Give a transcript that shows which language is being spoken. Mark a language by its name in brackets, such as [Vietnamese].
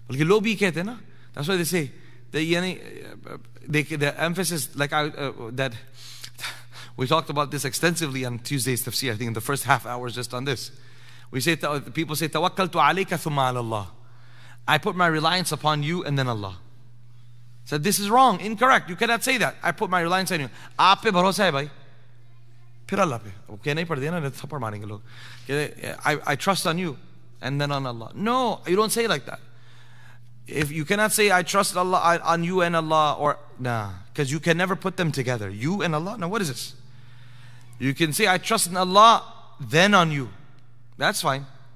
[English] That's why they say, the emphasis, like that we talked about this extensively on Tuesday's tafsir, I think in the first half hour is just on this. People say, [Arabic] tawakkaltu alayka thumma ala Allah. [English] I put my reliance upon you and then Allah. Said, this is wrong, incorrect. You cannot say that. I put my reliance on you. [Urdu] آپے بھروسہ ہے بھائی. پھر اللہ پے. Okay, نہیں پڑھیا نا, تھپڑ ماریں گے لوگ. [English] I trust on you and then on Allah. No, you don't say like that. If you cannot say, I trust Allah on you and Allah, or nah, because you can never put them together. You and Allah? Now, what is this? You can say, I trust in Allah, then on you. That's fine.